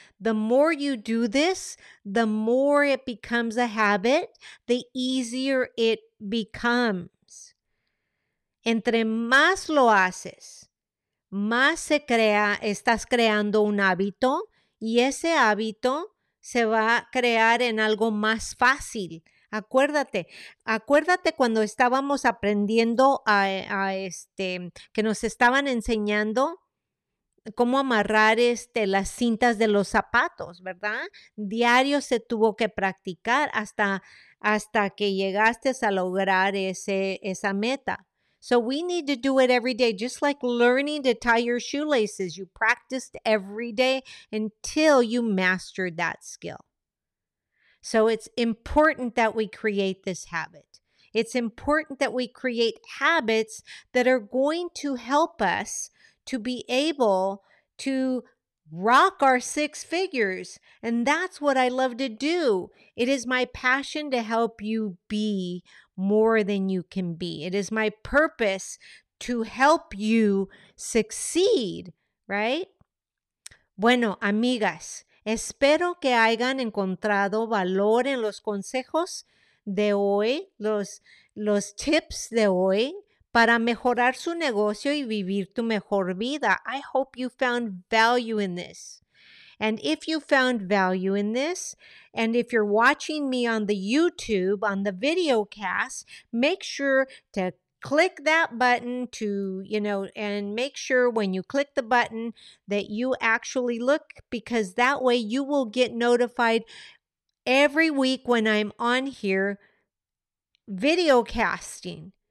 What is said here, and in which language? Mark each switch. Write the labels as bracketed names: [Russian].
[English] The more you do this, the more it becomes a habit, the easier it becomes. [Spanish] Entre más lo haces, más se crea, estás creando un hábito. Y ese hábito se va a crear en algo más fácil. Acuérdate cuando estábamos aprendiendo que nos estaban enseñando cómo amarrar las cintas de los zapatos, ¿verdad? Diario se tuvo que practicar hasta que llegaste a lograr esa meta. [English] So we need to do it every day, just like learning to tie your shoelaces. You practiced every day until you mastered that skill. So it's important that we create this habit. It's important that we create habits that are going to help us to be able to rock our six figures. And that's what I love to do. It is my passion to help you be more than you can be. It is my purpose to help you succeed, right? [Spanish] Bueno, amigas, espero que hayan encontrado valor en los consejos de hoy, los tips de hoy para mejorar su negocio y vivir tu mejor vida. [English] I hope you found value in this. And if you found value in this, and if you're watching me on the YouTube, on the video cast, make sure to click that button and make sure when you click the button that you actually look, because that way you will get notified every week when I'm on here video casting.